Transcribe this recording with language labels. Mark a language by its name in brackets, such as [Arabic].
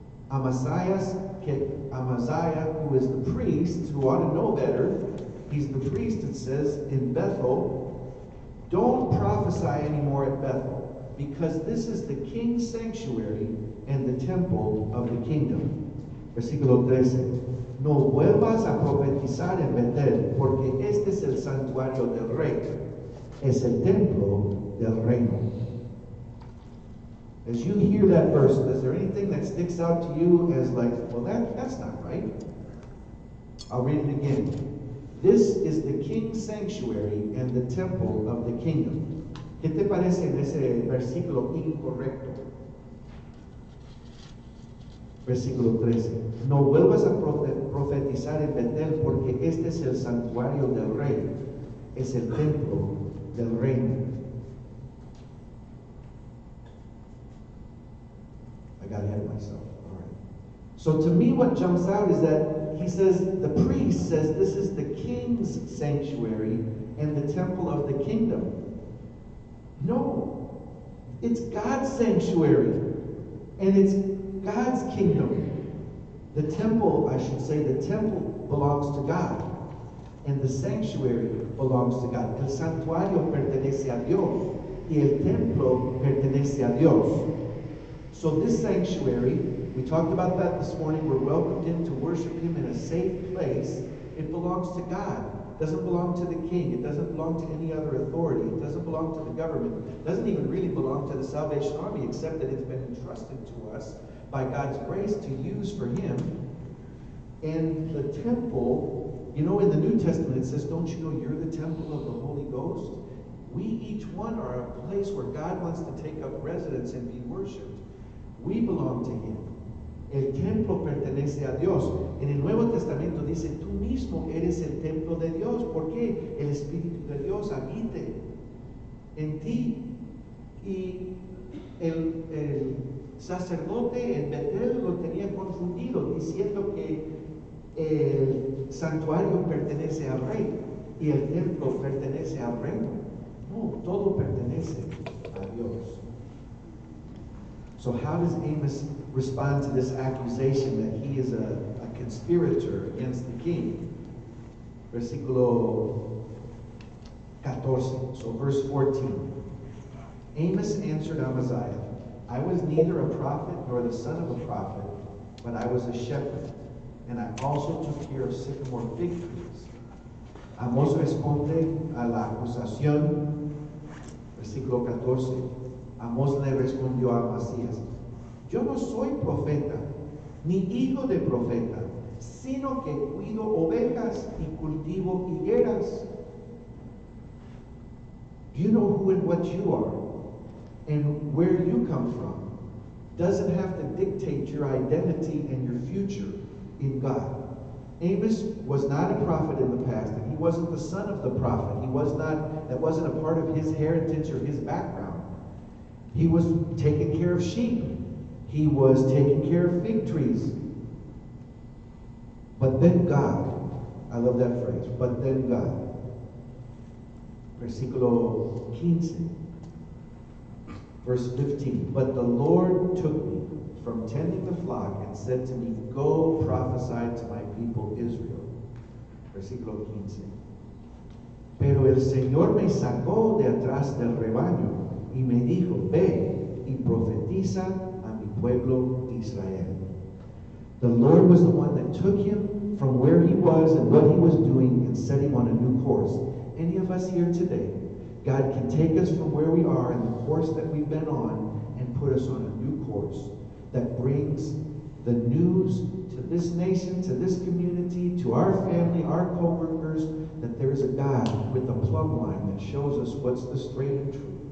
[English] Amaziah, who is the priest, who ought to know better, he's the priest, it says, in Bethel, don't prophesy anymore at Bethel, because this is the king's sanctuary and the temple of the kingdom. [Spanish] Versículo 13. No vuelvas a profetizar en Betel, porque este es el santuario del rey. Es el templo del reino. [English] As you hear that verse, is there anything that sticks out to you as like, well, that's not right? I'll read it again. This is the king's sanctuary and the temple of the kingdom. [Spanish] ¿Qué te parece en ese versículo incorrecto? Versículo 13. No vuelvas a profetizar en Betel, porque este es el santuario del rey. Es el templo del reino. [English] Got ahead of myself. All right. So to me, what jumps out is that he says, the priest says, this is the king's sanctuary and the temple of the kingdom. No, it's God's sanctuary and it's God's kingdom. The temple, I should say, the temple belongs to God and the sanctuary belongs to God. [Spanish] El santuario pertenece a Dios y el templo pertenece a Dios. [English] So this sanctuary, we talked about that this morning, we're welcomed in to worship him in a safe place. It belongs to God. It doesn't belong to the king. It doesn't belong to any other authority. It doesn't belong to the government. It doesn't even really belong to the Salvation Army, except that it's been entrusted to us by God's grace to use for him. And the temple, you know, in the New Testament it says, don't you know you're the temple of the Holy Ghost? We each one are a place where God wants to take up residence and be worshipped. We belong to him. [Spanish] El templo pertenece a Dios. En el Nuevo Testamento dice, tú mismo eres el templo de Dios. ¿Por qué? El Espíritu de Dios habita en ti. Y el sacerdote en Betel lo tenía confundido, diciendo que el santuario pertenece al rey y el templo pertenece al reino. No, todo pertenece a Dios. [English] So how does Amos respond to this accusation that he is a conspirator against the king? [Spanish] Versículo 14, [English] so verse 14. Amos answered Amaziah, I was neither a prophet nor the son of a prophet, but I was a shepherd. And I also took care of sycamore fig trees. [Spanish] Amos responde a la acusación, versículo 14. Amos le respondió a Amasías, yo no soy profeta, ni hijo de profeta, sino que cuido ovejas y cultivo higueras. [English] Do you know who and what you are and where you come from? Doesn't have to dictate your identity and your future in God. Amos was not a prophet in the past, and he wasn't the son of the prophet. He was not, that wasn't a part of his heritage or his background. He was taking care of sheep. He was taking care of fig trees. But then God, I love that phrase, but then God. [Spanish] Versículo 15. [English] Verse 15. But the Lord took me from tending the flock and said to me, go prophesy to my people Israel. [Spanish] Versículo 15. Pero el Señor me sacó de atrás del rebaño y me dijo, ve y profetiza a mi pueblo Israel. [English] The Lord was the one that took him from where he was and what he was doing and set him on a new course. Any of us here today, God can take us from where we are and the course that we've been on and put us on a new course that brings the news to this nation, to this community, to our family, our co-workers, that there is a God with a plumb line that shows us what's the straight and true.